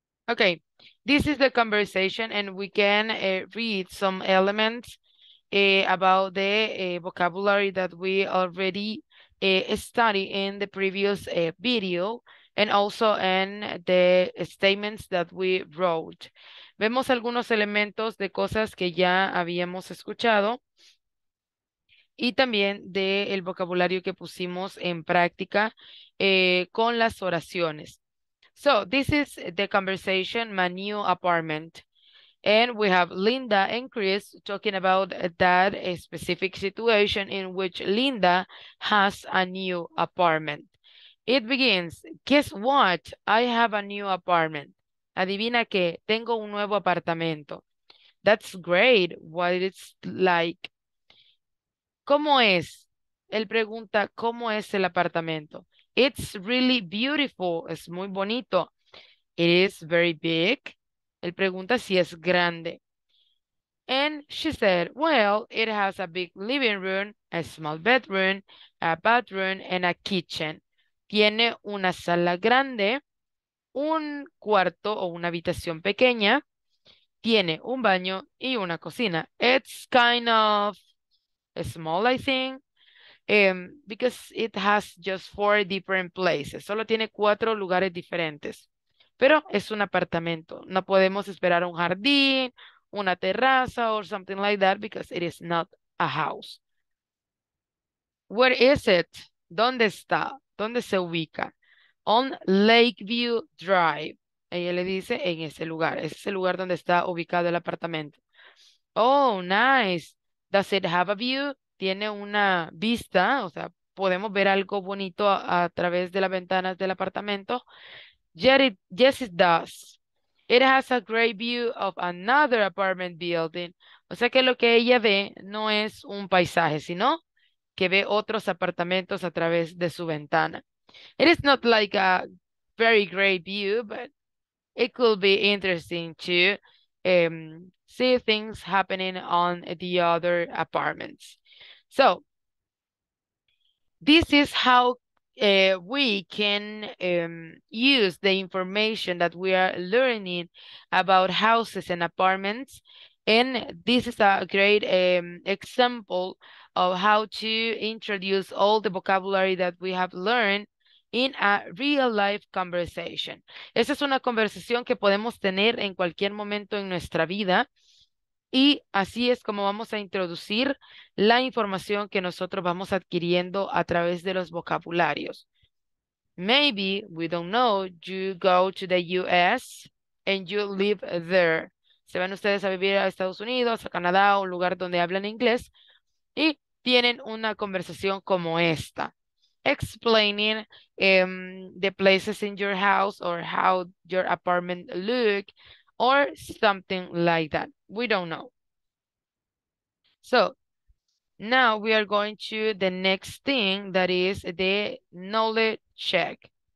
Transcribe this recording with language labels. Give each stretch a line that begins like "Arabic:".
English: okay, this is the conversation and we can read some elements about the vocabulary that we already a study in the previous video and also in the statements that we wrote.
Spanish: Vemos algunos elementos de cosas que ya habíamos escuchado y también del vocabulario que pusimos en práctica con las oraciones.
English: So, this is the conversation, my new apartment. And we have Linda and Chris talking about that specific situation in which Linda has a new apartment. It begins, guess what? I have a new apartment.
Spanish: Adivina qué, tengo un nuevo apartamento.
English: That's great, what it's like.
Spanish: ¿Cómo es? Él pregunta, ¿cómo es el apartamento?
English: It's really beautiful,
Spanish: es muy bonito.
English: It is very big.
Spanish: Él pregunta si es grande.
English: And she said, well, it has a big living room, a small bedroom, a bathroom, and a kitchen.
Spanish: Tiene una sala grande, un cuarto o una habitación pequeña. Tiene un baño y una cocina.
English: It's kind of small, I think, because it has just four different places.
Spanish: Solo tiene cuatro lugares diferentes. Pero es un apartamento. No podemos esperar un jardín, una terraza,
English: or something like that, because it is not a house. Where is it?
Spanish: ¿Dónde está? ¿Dónde se ubica? On Lakeview Drive. Ella le dice en ese lugar. Ese es el lugar donde está ubicado el apartamento.
English: Oh, nice. Does it have a view?
Spanish: Tiene una vista. O sea, podemos ver algo bonito a través de las ventanas del apartamento.
English: Yes, it does. It has a great view of another apartment building.
Spanish: O sea que lo que ella ve no es un paisaje, sino que ve otros apartamentos a través de su ventana.
English: It is not like a very great view, but it could be interesting to see things happening on the other apartments. So, this is how we can use the information that we are learning about houses and apartments. And this is a great example of how to introduce all the vocabulary that we have learned in a real life conversation.
Spanish: Esa es una conversación que podemos tener en cualquier momento en nuestra vida. Y así es como vamos a introducir la información que nosotros vamos adquiriendo a través de los vocabularios.
English: Maybe, we don't know, you go to the US and you live there.
Spanish: Se van ustedes a vivir a Estados Unidos, a Canadá, a un lugar donde hablan inglés y tienen una conversación como esta.
English: Explaining the places in your house or how your apartment look or something like that. We don't know. So, now we are going to the next thing, that is the knowledge check.